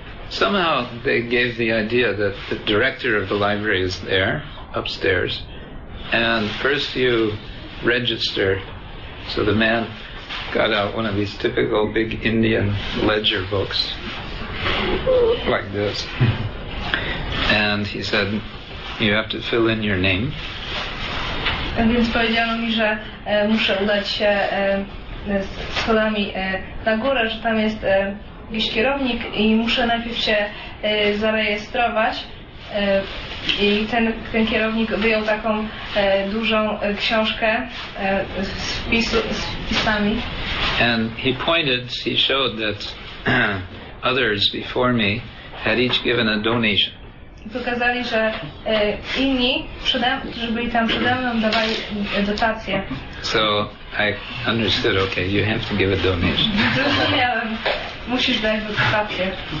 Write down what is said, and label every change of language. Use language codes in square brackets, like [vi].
[en] Somehow they gave the idea that the director of the library is there, upstairs, and first you register. So the man got out one of these typical big Indian ledger books, like this, and he said, you have to fill in your name. [pl] A więc powiedziano mi, że muszę udać się z schodami na górę, że tam jest jakiś kierownik i muszę najpierw się zarejestrować. I ten kierownik wyjął taką dużą książkę z wpisami. [en] And he pointed, he showed that others before me had each given a donation. [pl] I pokazali, że inni, którzy byli tam przede mną, dawali dotacje. [en] So I understood, okay, you have to give a donation. [pl] Zrozumiałem, musisz dać dotację.